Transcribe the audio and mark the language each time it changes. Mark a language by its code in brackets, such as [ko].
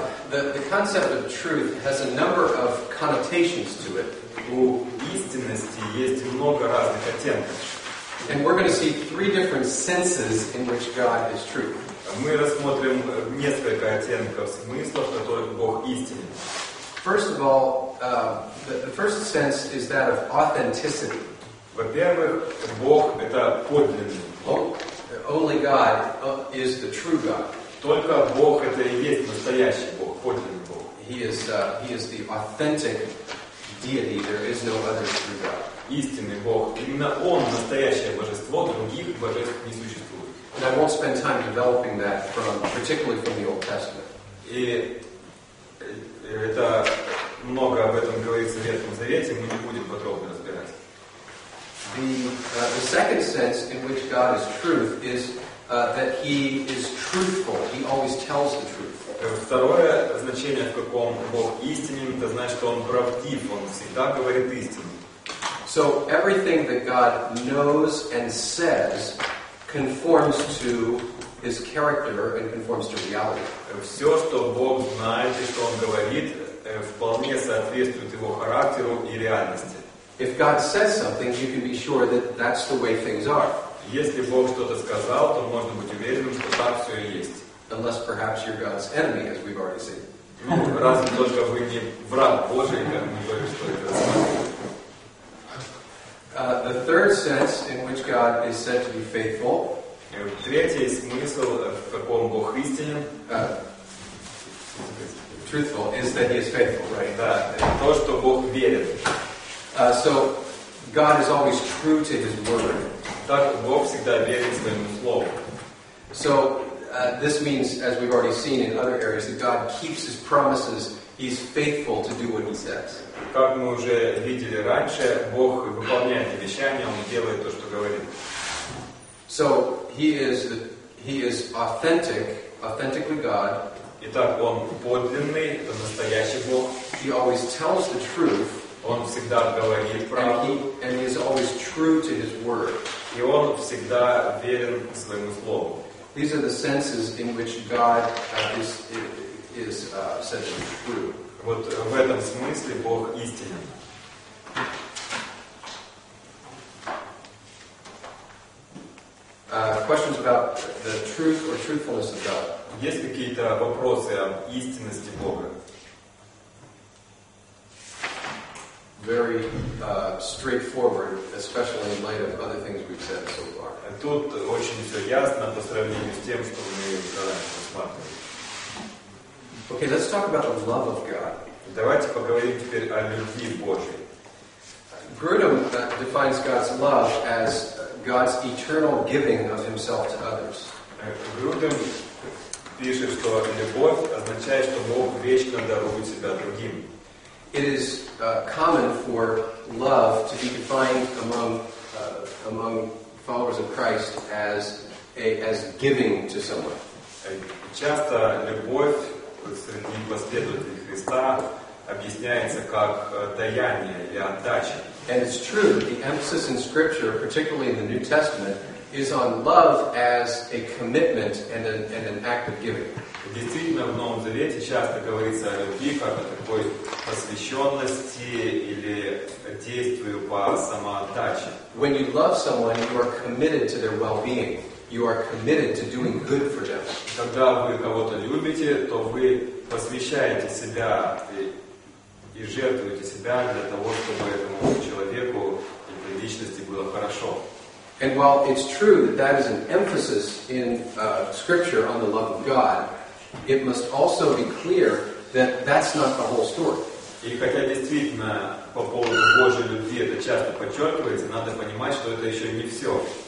[en] The concept of truth has a number of connotations to it. [ru] У истинности есть много разных оттенков. [en] And we're going to see three different senses in which God is true. [ru] Мы рассмотрим несколько оттенков смыслов, в которых Бог истинен. [en] First of all, the first sense is that of authenticity. [ru] Во-первых, Бог — это подлинный. [en] Only God is the true God. [ru] Только Бог — это и есть настоящий Бог, подлинный Бог. [en] He is the authentic deity. There is no other true God. [ru] Истинный Бог. Именно Он — настоящее божество, других божеств не существует. [en] And I won't spend time developing that, particularly from the Old Testament. [ru] И это много об этом говорится в Ветхом Завете, мы не будем подробно разбирать. [en] The second sense in which God is truth is that He is truthful. He always tells the truth. [ru] Второе значение, в каком Бог истинен, это значит, что Он правдив, Он всегда говорит истину. [en] So everything that God knows and says conforms to His character and conforms to reality. [ru] Все, что Бог знает и что Он говорит, вполне соответствует Его характеру и реальности. [en] If God says something, you can be sure that that's the way things are. [ru] Если Бог что-то сказал, то можно быть уверенным, что так все и есть. [en] Unless perhaps you're God's enemy, as we've already seen. [ru] Ну, разве только вы не враг Божий, как мы говорим, что это [en] The third sense in which God is said to be faithful. [ru] Третий смысл, в каком Бог истинен. [en] Truthful is that He is faithful, right? [ru] Да, то, что Бог верен. [en] So God is always true to His word. [ru] Так Бог всегда верен своему слову. [en] So this means, as we've already seen in other areas, that God keeps His promises. He's faithful to do what He says. [ru] Как мы уже видели раньше, Бог выполняет обещания, Он делает то, что говорит. [en] So He is authentically God. [ru] Итак, Он подлинный, это настоящий Бог. [en] He always tells the truth. [ru] Он всегда говорит правду. [en] And he is always true to his word. [ru] И он всегда верен своему слову. [en] These are the senses in which God is said to be true. [ru] Вот в этом смысле Бог истинен. [en] Questions about the truth or truthfulness of God. [ru] Есть какие-то вопросы об истинности Бога? [en] Very straightforward, especially in light of other things we've said so far. [ru] Тут очень все ясно по сравнению с тем, что мы рассматривали. [en] Okay, let's talk about the love of God. [ru] Давайте поговорим теперь о любви Божьей. [en] Grudem defines God's love as God's eternal giving of Himself to others. [ru] Grudem пишет, что любовь означает, что Бог вечно дарует себя другим. [en] It is common for love to be defined among followers of Christ as giving to someone. [ru] Часто любовь среди последователей Христа объясняется как даяние или отдача. [en] And it's true. The emphasis in Scripture, particularly in the New Testament, is on love as a commitment and an act of giving. [ru] Действительно, в Новом Завете часто говорится о любви как о такой посвященности или действию по самоотдаче. [en] When you love someone, you are committed to their well-being. You are committed to doing good for them. [ru] Когда вы кого-то любите, то вы посвящаете себя и жертвуете себя для того, чтобы этому человеку и этой личности было хорошо. [en] And while it's true that that is an emphasis in Scripture on the love of God, it must also be clear that that's not the whole story. [ru] И хотя действительно по поводу Божьей любви это часто подчеркивается, надо понимать, что это еще не все.